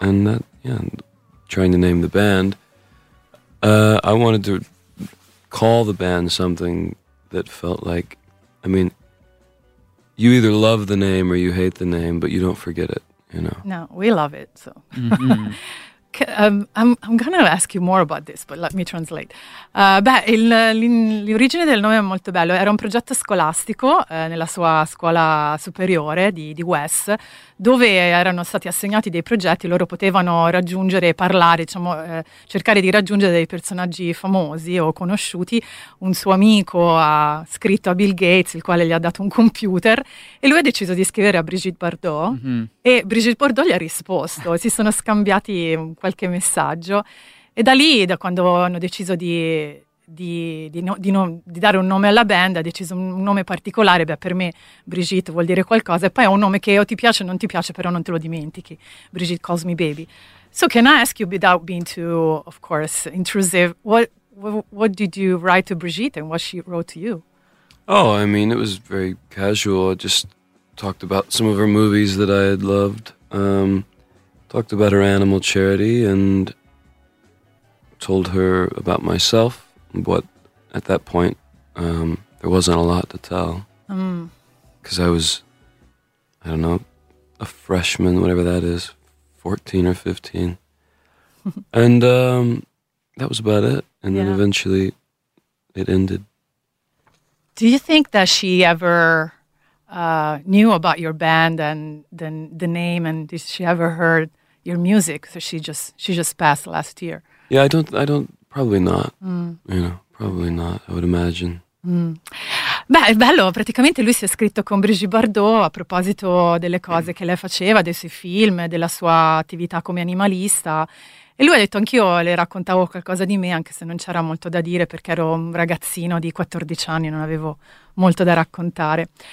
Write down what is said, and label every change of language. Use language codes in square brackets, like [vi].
[en] And that, yeah, trying to name the band. I wanted to call the band something that felt like, I mean, you either love the name or you hate the name, but you don't forget it, you know? No, we love it, so. I'm gonna ask you more about this, but let me translate. [it] L'origine del nome è molto bello. Era un progetto scolastico nella sua scuola superiore di Wes, dove erano stati assegnati dei progetti. Loro potevano raggiungere, parlare, diciamo, cercare di raggiungere dei personaggi famosi o conosciuti. Un suo amico ha scritto a Bill Gates, il quale gli ha dato un computer, e lui ha deciso di scrivere a Brigitte Bardot. E Brigitte Bardot gli ha risposto, si sono scambiati qualche messaggio, e da lì, da quando hanno deciso di dare un nome alla band, ha deciso un nome particolare. Beh, per me Brigitte vuol dire qualcosa, e poi è un nome che o ti piace o non ti piace, però non te lo dimentichi. Brigitte Calls Me Baby. [en] So can I ask you, without being too, of course, intrusive, what did you write to Brigitte and what she wrote to you? Oh, I mean, it was very casual. I just talked about some of her movies that I had loved. Talked about her animal charity and told her about myself. But at that point, there wasn't a lot to tell. Because I was, I don't know, a freshman, whatever that is, 14 or 15. And that was about it. And then eventually it ended. Do you think that she ever knew about your band and the name, and did she ever heard your music? So she just passed last year. Yeah, I don't, probably not. You know, probably not, I would imagine. [it] Beh, è bello, praticamente lui si è scritto con Brigitte Bardot a proposito delle cose che lei faceva, dei suoi film, della sua attività come animalista. E lui ha detto: anch'io le raccontavo qualcosa di me, anche se non c'era molto da dire, perché ero un ragazzino di 14 anni, non avevo molto da raccontare.